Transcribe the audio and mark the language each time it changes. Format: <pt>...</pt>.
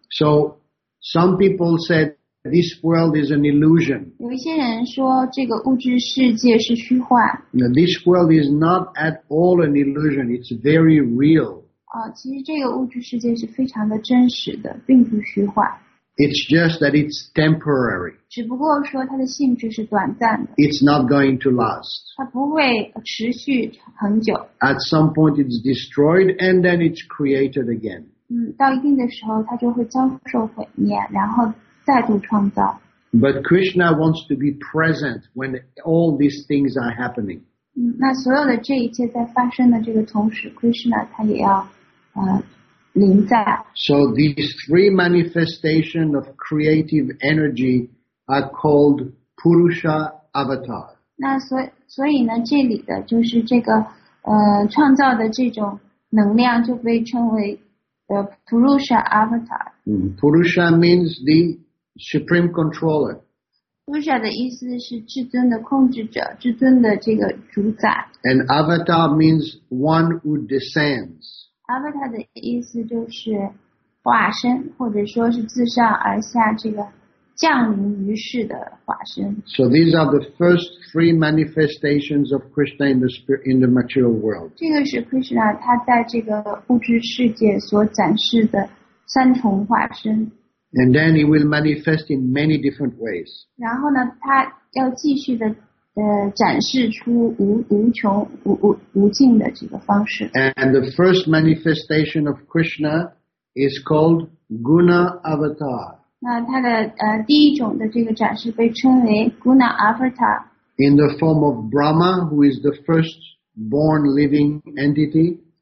<en>So some people said this world is an illusion.</en> <zh>有一些人说这个物质世界是虚幻。</zh> <en>Now, this world is not at all an illusion. It's very real.</en> <zh>其实这个物质世界是非常的真实的，并不虚幻。</zh> <en>It's just that it's temporary.</en> <zh>只不过说它的性质是短暂的。</zh> <en>It's not going to last.</en> <zh>它不会持续很久。</zh> <en>At some point it's destroyed and then it's created again.</en> <zh>到一定的时候它就会遭受毁灭，然后再度创造。</zh> <en>But Krishna wants to be present when all these things are happening.</en> <zh>那所有的这一切在发生的这个同时 ，Krishna 他也要，临在。</zh> <en>So these three manifestations of creative energy are called Purusha Avatar.</en> <zh>那所以呢，这里的就是这个创造的这种能量就被称为Purusha Avatar.</zh> <en>Purusha means the supreme controller.</en> <zh>Purusha 的意思是至尊的控制者，至尊的这个主宰。</zh> <en>And avatar means one who descends.</en> <zh>Avatar 的意思就是化身，或者说是自上而下这个降临于世的化身。</zh> <en>So these are the first three manifestations of Krishna in the material world.</en> <zh>这个是 Krishna 他在这个物质世界所展示的三重化身。</zh> <en>And then he will manifest in many different ways.</en> <zh>然后呢，他要继续的展示出无穷无尽的这个方式。</zh> <en>And the first manifestation of Krishna is called Guna Avatar.</en> <zh>那他的第一种的这个展示被称为 Guna Avatar.</zh> <en>In the form of Brahma, who is the first born living entity.</en>